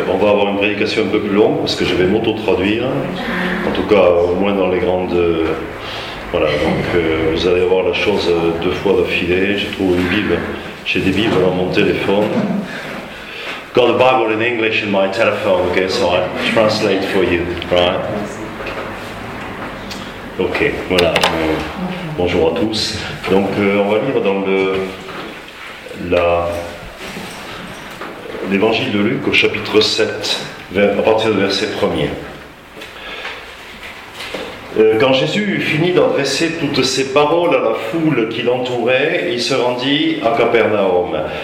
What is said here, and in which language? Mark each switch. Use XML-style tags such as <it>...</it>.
<fr>pourrait avoir une prédication un peu plus longue, parce que je vais m'auto-traduire, en tout cas au moins dans les grandes... Voilà, donc vous allez avoir la chose deux fois d'affilée. J'ai trouvé une Bible, j'ai des Bibles dans mon téléphone.</fr> <en>Got the Bible in English in my telephone, okay, so I translate for you, right?</en> <fr>Ok, voilà, bonjour à tous. Donc on va lire dans l'évangile de Luc au chapitre 7, à partir du verset 1er. Quand Jésus eut fini d'adresser toutes ces paroles à la foule qui l'entourait, il se rendit à Capernaum.</fr>